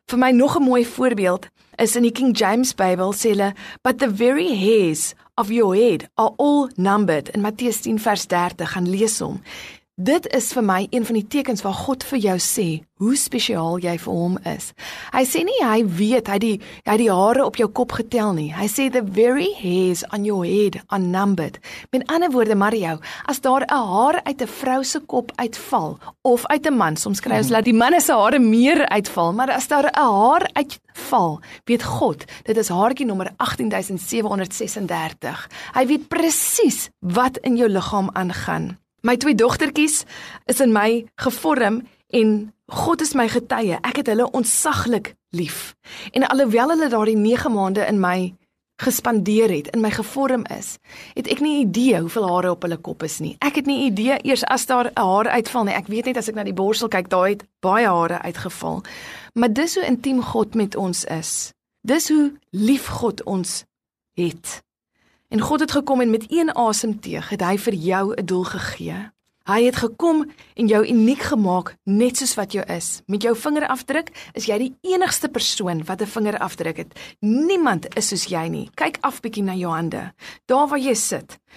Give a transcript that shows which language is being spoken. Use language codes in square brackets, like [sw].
[af] Vir my nog 'n mooi voorbeeld is in die King James Bible sê hulle, [en] "But the very hairs of your head are all numbered," [af] in Matteus 10 vers 30, gaan lees hom. Dit is vir my een van die tekens waar God vir jou sê, hoe spesiaal jy vir hom is. Hy sê nie, hy weet, hy die hare op jou kop getel nie. Hy sê, [en] "The very hairs on your head are numbered." [af] Met ander woorde, Mario, as daar 'n haar uit 'n vrou se kop uitval, of uit 'n man, soms kry ons laat die manne se hare meer uitval, maar as daar 'n haar uitval, weet God, dit is haartjie nommer 18736. Hy weet presies wat in jou liggaam aangaan. My twee dogtertjies is in my gevorm en God is my getuie. Ek het hulle ontsaglik lief. En alhoewel hulle daardie 9 maande in my gespandeer het en my gevorm is, het ek nie idee hoeveel hare op hulle kop is nie. Ek het nie idee eers as daar hare uitval nie. Ek weet net as ek na die borsel kyk, daar het baie hare uitgeval. Maar dis hoe intiem God met ons is. Dis hoe lief God ons het. En God het gekom en met een asemteug het hy vir jou 'n doel gegee. Hy het gekom en jou uniek gemaak net soos wat jy is. Met jou vingerafdruk is jy die enigste persoon wat 'n vingerafdruk het. Niemand is soos jy nie. Kyk af bietjie na jou hande. Daar waar jy sit.